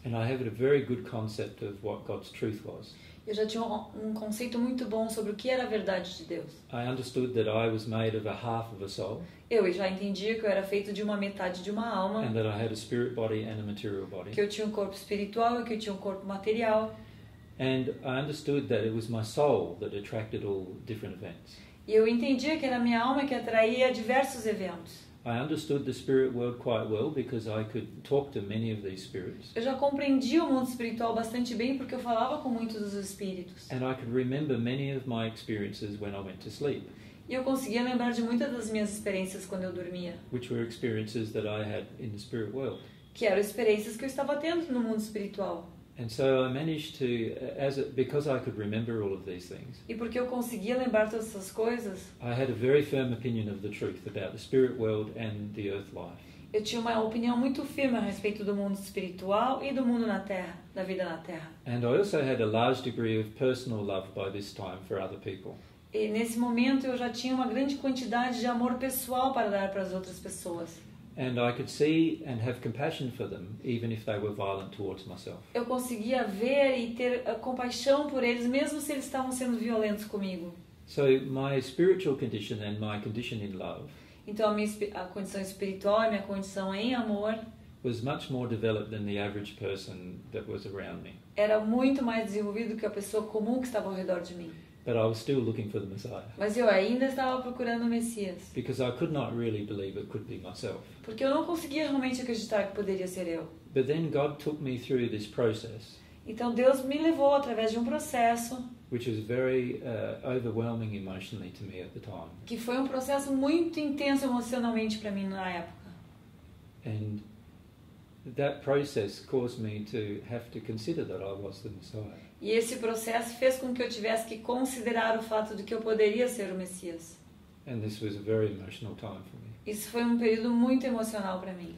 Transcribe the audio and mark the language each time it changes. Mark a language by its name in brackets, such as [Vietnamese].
[English] And I have a very good concept of what God's truth was. [Portuguese] Eu já tinha um conceito muito bom sobre o que era a verdade de Deus. [English] I understood that I was made of a half of a soul. [Portuguese] Eu já entendia que eu era feito de uma metade de uma alma. [English] And that I had a spirit body and a material body. [Portuguese] Que eu tinha um corpo espiritual e que eu tinha um corpo material. [English] And I understood that it was my soul that attracted all different events. [Portuguese] E eu entendia que era a minha alma que atraía diversos eventos. [English] I understood the spirit world quite well because I could talk to many of these spirits. [Portuguese] Eu já compreendi o mundo espiritual bastante bem porque eu falava com muitos dos espíritos. [English] And I could remember many of my experiences when I went to sleep. [Portuguese] E eu conseguia lembrar de muitas das minhas experiências quando eu dormia. [English] Which were experiences that I had in the spirit world. [Portuguese] Que eram experiências que eu estava tendo no mundo espiritual. [English] And so I managed to, because I could remember all of these things. [Portuguese] E porque eu conseguia lembrar todas essas coisas. [English] I had a very firm opinion of the truth about the spirit world and the earth life. [Portuguese] Eu tinha uma opinião muito firme a respeito do mundo espiritual e do mundo na Terra, da vida na Terra. [English] And I also had a large degree of personal love by this time for other people. [Portuguese] E nesse momento eu já tinha uma grande quantidade de amor pessoal para dar para as outras pessoas. [English] And I could see and have compassion for them, even if they were violent towards myself. [Portuguese] Eu conseguia ver e ter compaixão por eles, mesmo se eles estavam sendo violentos comigo. [English] So my spiritual condition and my condition in love. [Portuguese] Então a condição espiritual e minha condição em amor. [English] Was much more developed than the average person that was around me. [Portuguese] Era muito mais desenvolvido que a pessoa comum que estava ao redor de mim. [English] But I was still looking for the Messiah. [Portuguese] Mas eu ainda estava procurando o Messias. [English] Because I could not really believe it could be myself. [Portuguese] Porque eu não conseguia realmente acreditar que poderia ser eu. [English] But then God took me through this process. [Portuguese] Então Deus me levou através de um processo. [English] Which was very overwhelming emotionally to me at the time. [Portuguese] Que foi um processo muito intenso emocionalmente para mim na época. [English] And that process caused me to have to consider that I was the Messiah. [Portuguese] E esse processo fez com que eu tivesse que considerar o fato de que eu poderia ser o Messias. [English] And this was a very emotional time for me. [Portuguese] Isso foi um período muito emocional para mim.